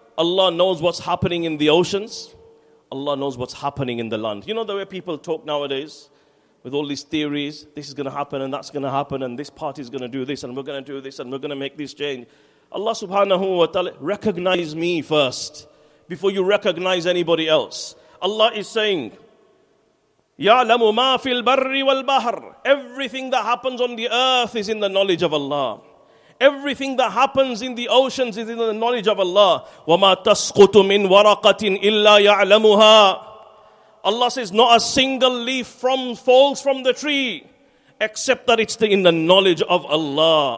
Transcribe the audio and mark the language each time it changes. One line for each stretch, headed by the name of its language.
English: Allah knows what's happening in the oceans. Allah knows what's happening in the land. You know the way people talk nowadays? with all these theories, this is going to happen and that's going to happen and this party is going to do this and we're going to do this and we're going to make this change. Allah subhanahu wa ta'ala, recognize me first before you recognize anybody else. Allah is saying,
Arabic: يَعْلَمُ مَا فِي الْبَرِّ وَالْبَحْرِ.
English: Everything that happens on the earth is in the knowledge of Allah. Everything that happens in the oceans is in the knowledge of Allah.
Arabic: وَمَا تَسْقُطُ مِنْ وَرَقَةٍ إِلَّا يَعْلَمُهَا.
English: Allah says, not a single leaf falls from the tree, except that it's in the knowledge of Allah.